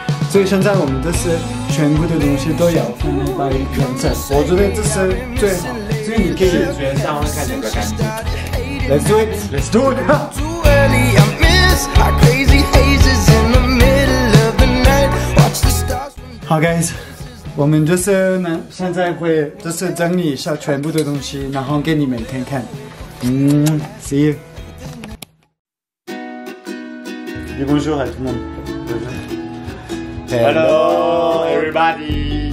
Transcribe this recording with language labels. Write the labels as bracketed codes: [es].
[zh] 所以现在我们这是全部的东西都要放在原层。我觉得这是最好，所以你可以视觉上会看整个干净。 [en] Let's do it. Let's do it. Crazy hazes in the middle of the night. Watch the stars. [zh] 好 guys， 我们就是呢，现在会就是整理一下全部的东西，然后给你们看看。 [en] see you. [zh] 你不是说还是吗？对对。 [en] Hello, everybody.